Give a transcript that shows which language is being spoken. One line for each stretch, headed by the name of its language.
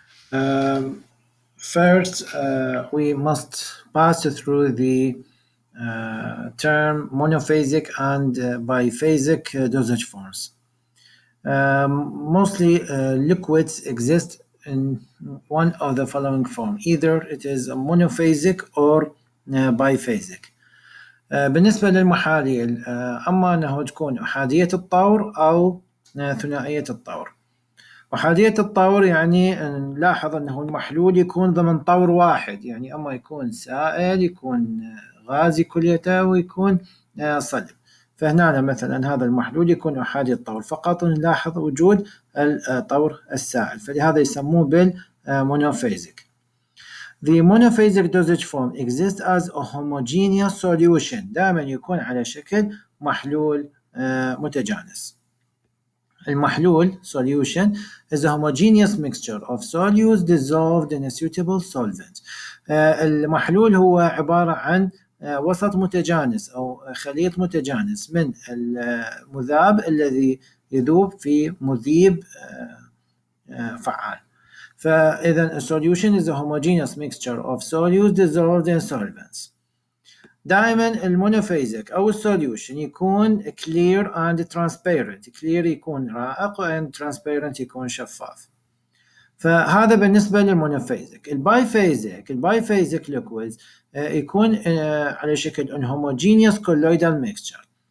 English: First, we must pass through the term monophasic and biphasic dosage forms. Mostly, liquids exist in one of the following form. Either it is a monophasic or biphasic.
Arabic: بالنسبة للمحالي، أما أنه تكون أحادية الطور أو ثنائية الطور. أحادية الطور يعني نلاحظ أنه المحلول يكون ضمن طور واحد، يعني أما يكون سائل، يكون غازي كليته، ويكون صلب. فهنا مثلا هذا المحلول يكون أحادي الطور، فقط نلاحظ وجود الطور السائل، فلهذا يسموه بالمونوفيزيك.
English: The monophasic dosage form exists as a homogeneous solution.
Arabic: دائما يكون على شكل محلول متجانس.
English: المحلول solution is a homogeneous mixture of solutes dissolved in a suitable solvent.
Arabic: المحلول هو عبارة عن وسط متجانس أو خليط متجانس من المذاب الذي يذوب في مذيب فعال.
English: فإذا a solution is a homogeneous mixture of solutes dissolved in solvents.
Arabic: دائما المونوفازيك أو solution يكون
English: clear and transparent.
Arabic: Clear يكون رائق and transparent يكون شفاف. فهذا بالنسبة للمونوفازيك. البيفازيك liquids يكون على شكل
English: homogeneous colloidal mixture.